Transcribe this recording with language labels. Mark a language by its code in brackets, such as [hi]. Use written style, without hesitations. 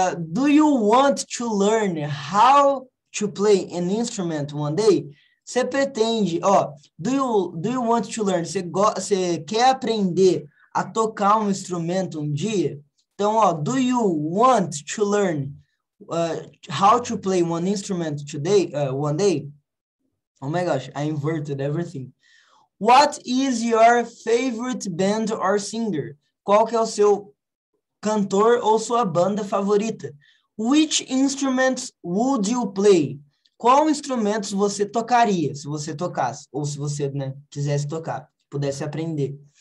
[en] Do you want to learn how to play an instrument one day? [pt] Você pretende, [en] do you want to learn? [pt] Você quer aprender a tocar um instrumento um dia? [en] Então, do you want to learn how to play one instrument today, one day? Oh my gosh, I inverted everything. What is your favorite band or singer? [pt] Qual que é o seu cantor ou sua banda favorita? [en] Which instruments would you play? [pt] Qual instrumento você tocaria, se você tocasse, ou se você, né, quisesse tocar, pudesse aprender?